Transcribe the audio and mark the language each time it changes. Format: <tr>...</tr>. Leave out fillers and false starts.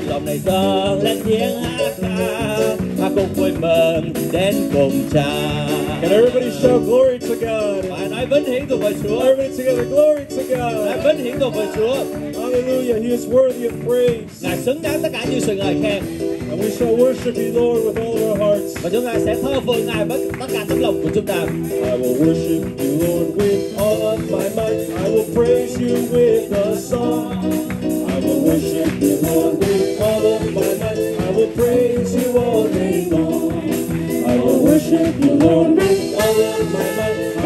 <vi>Lòng này dâng lên tiếng hát ta, ta cùng vui mừng đến cùng cha.</vi> <en>Can everybody shout glory to God? And I've been hinged over Chúa. Everybody together, glory to God. I've been hinged over Chúa. Hallelujah, He is worthy of praise.</en> <vi>Ngài xứng đáng tất cả những sự ngợi khen.</vi> <en>And we shall worship You, Lord, with all our hearts.</en> <vi>Và chúng ta sẽ thờ phượng Ngài với tất cả tấm lòng của chúng ta.</vi> <en>I will worship You, Lord, with all of my might. I will praise You with a song. I will worship You, Lord, with all of my might. I will praise You all day long. I will worship You, Lord, with all of my might.</en>